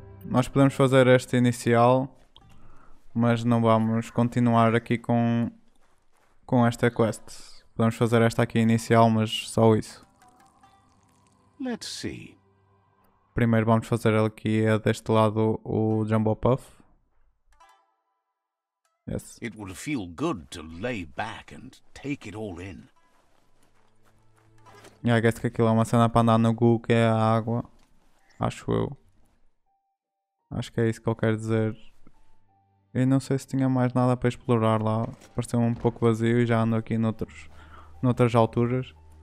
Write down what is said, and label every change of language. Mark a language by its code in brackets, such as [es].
[pt] Nós podemos fazer este inicial, mas não vamos continuar aqui com esta quest. Podemos fazer esta aqui inicial, mas só isso. [en] Let's see. [pt] Primeiro vamos fazer aqui deste lado o Jumbo Puff. [en] Yes. It would feel good to lay back and take it all in. [pt] E eu acho que aquilo é uma cena para andar no Goop, que é a água. Acho eu. Acho que é isso que eu quero dizer. E não sei se tinha mais nada para explorar lá. Pareceu um pouco vazio e já ando aqui noutras alturas.